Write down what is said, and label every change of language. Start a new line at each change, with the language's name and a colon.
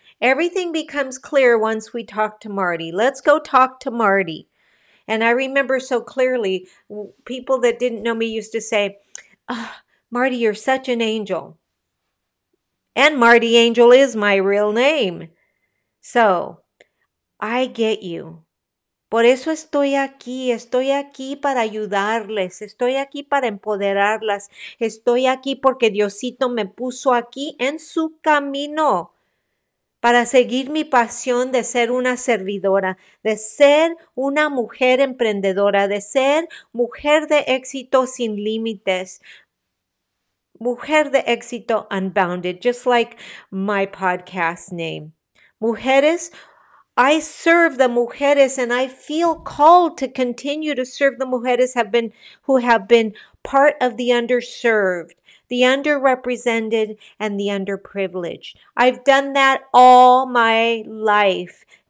English: Everything becomes clear once we talk to Marty. Let's go talk to Marty. And I remember so clearly, people that didn't know me used to say, oh, Marty, you're such an angel. And Marty Angel is my real name. So I get you.
Spanish: Por eso estoy aquí para ayudarles, estoy aquí para empoderarlas, estoy aquí porque Diosito me puso aquí en su camino para seguir mi pasión de ser una servidora, de ser una mujer emprendedora, de ser mujer de éxito sin límites, mujer de éxito unbounded,
English: just like my podcast name.
Spanish: Mujeres.
English: I serve the mujeres and I feel called to continue to serve the mujeres who have been part of the underserved, the underrepresented, and the underprivileged. I've done that all my life.